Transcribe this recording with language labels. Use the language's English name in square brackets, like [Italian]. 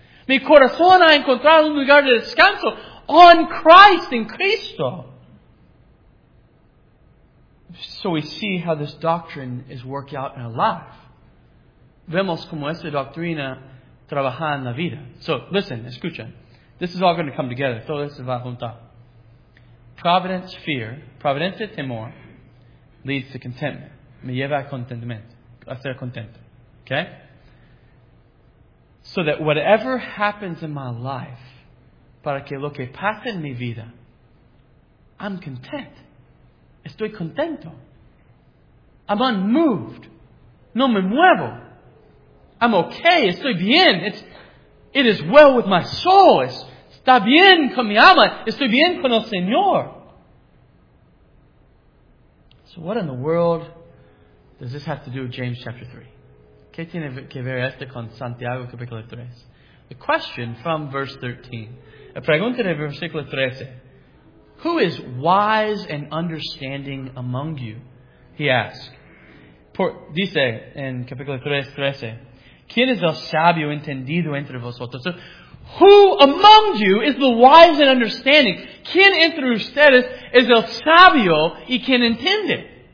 [Spanish] Mi corazón ha encontrado un lugar de descanso. [English] On Christ, in Cristo. So we see how this doctrine is working out in our life. [Spanish] Vemos como esta doctrina trabaja en la vida. [English] So listen, escucha. This is all going to come together. [Spanish] Todo esto va a juntar. [English] Providence, fear. [Spanish] Providencia, temor. [English] Leads to contentment. [Spanish] Me lleva a contentamiento. A ser contento. Okay? [English] So that whatever happens in my life, [Spanish] para que lo que pasa en mi vida, [English] I'm content. [Spanish] Estoy contento. [English] I'm unmoved. [Spanish] No me muevo. [English] I'm okay. [Spanish] Estoy bien. [English] It is well with my soul. [Spanish] Está bien con mi alma. Estoy bien con el Señor. [English] So what in the world does this have to do with James chapter 3? [Spanish] ¿Qué tiene que ver esto con Santiago capítulo 3? [English] The question from verse 13. [Spanish] La pregunta de versículo 13. [English] Who is wise and understanding among you? He asked. [Spanish] Dice en capítulo 13. ¿Quién es el sabio entendido entre vosotros? [English] So, who among you is the wise and understanding? [Spanish] ¿Quién entre ustedes es el sabio y quien entiende?